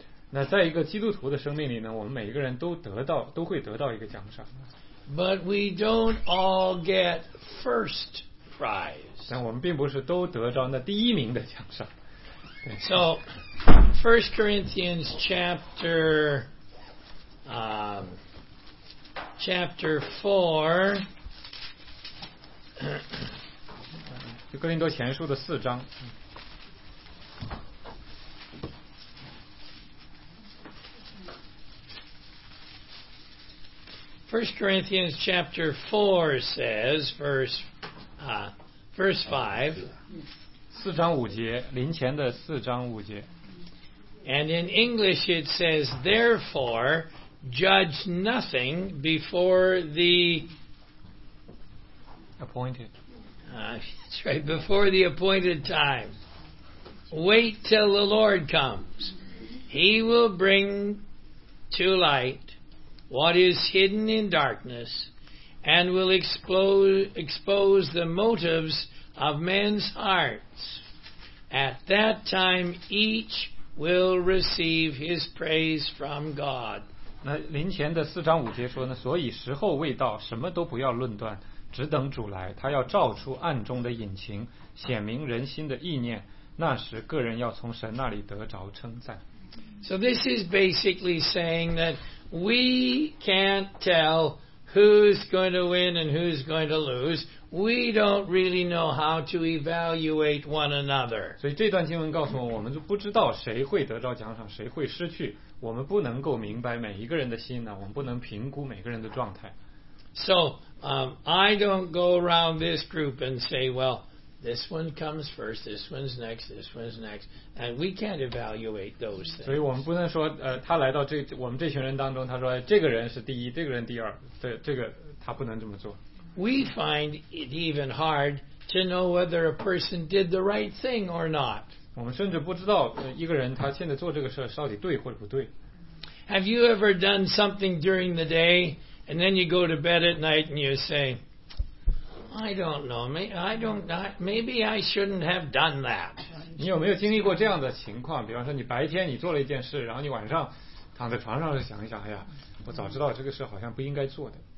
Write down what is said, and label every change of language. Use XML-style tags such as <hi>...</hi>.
<zh>那在一个基督徒的生命里呢，我们每一个人都会得到一个奖赏。</zh> <en>But we don't all get first prize.</en> <zh>但我们并不是都得到那第一名的奖赏。</zh> <en>So, 1 Corinthians chapter, chapter 4.</en> <zh>哥林多前书的四章。</zh> <en>First Corinthians chapter 4 says, verse 5.</en> <zh>四章五节，林前的四章五节。</zh> <en>And in English it says, therefore, judge nothing before the appointed. That's right, before the appointed time. Wait till the Lord comes. He will bring to light what is hidden in darkness and will expose the motives of men's hearts. At that time, each will receive his praise from God.</en> <zh>那林前的四章五节说呢，所以时候未到，什么都不要论断。只等主来，他要照出暗中的隐情，显明人心的意念，那时个人要从神那里得着称赞。</zh> <en>So this is basically saying that we can't tell who's going to win and who's going to lose. We don't really know how to evaluate one another.</en> <zh>所以这段经文告诉我们，我们就不知道谁会得着奖赏，谁会失去，我们不能够明白每一个人的心呢，我们不能评估每个人的状态。</zh> <en>So, I don't go around this group and say, well, this one comes first, this one's next, this one's next. And we can't evaluate those things.</en> <zh>所以我们不能说，他来到我们这群人当中，他说，这个人是第一，这个人第二，这个他不能这么做。</zh> <en>We find it even hard to know whether a person did the right thing or not.</en> <zh>我们甚至不知道，一个人他现在做这个事到底对或者不对。</zh> <en>Have you ever done something during the day? And then you go to bed at night and you say, I don't know. I don't. Maybe I shouldn't have done that.</en> <zh>你有没有经历过这样的情况？比方说，你白天你做了一件事，然后你晚上躺在床上想一想，哎呀，我早知道这个事好像不应该做的。</zh>